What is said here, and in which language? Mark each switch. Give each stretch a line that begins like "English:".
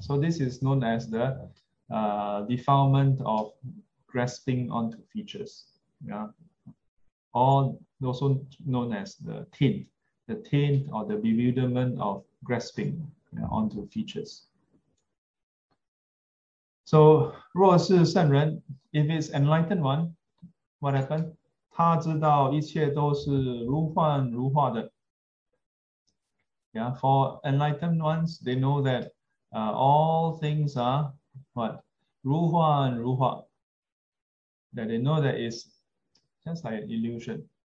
English: So this is known as the defilement of grasping onto features. Yeah. Or also known as the taint. the taint or the bewilderment of grasping, you know, onto features. So
Chinese: 若是圣人,
English: if it's enlightened one, what happened?
Chinese: 他知道一切都是如幻如化的.
English: Yeah, for enlightened ones, they know that all things are what?
Chinese: 如幻如化.
English: That they know that it's just like an illusion.